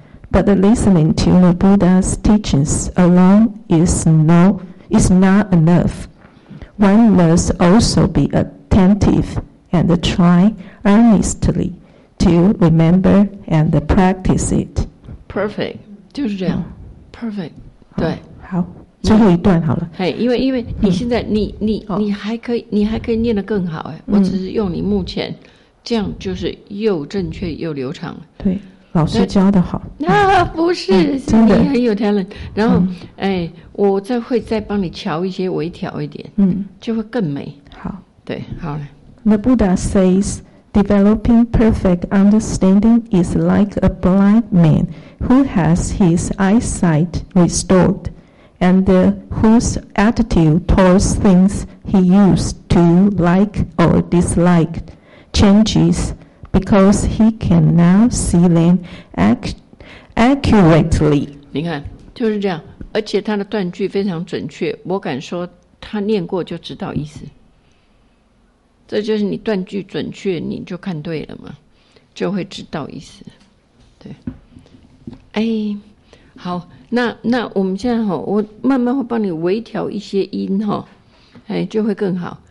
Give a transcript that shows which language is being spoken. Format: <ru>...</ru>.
<en>But the listening to the Buddha's teachings alone is not enough. One must also be attentive and try earnestly to remember and practice it. Perfect.</en> <zh>就是这样。Perfect. 对。好。最后一段好了，</zh> <en>hey，</en> <zh>因为你现在你还可以，你还可以念得更好，我只是用你目前这样，就是又正确又流畅。对，老师教的好。那、啊、不是，真的你很有 talent。然后，我再会再帮你调一些，微调一点，就会更美。好，对，好了。</zh> <en>The Buddha says, developing perfect understanding is like a blind man who has his eyesight restored. And whose attitude towards things he used to like or dislike changes because he can now see them accurately.</en> <zh>你看，就是这样，而且他的断句非常准确，我敢说他念过就知道意思。这就是你断句准确，你就看对了嘛，就会知道意思。对，哎，好，那我们现在，我慢慢会帮你微调一些音，哎，就会更好。</zh>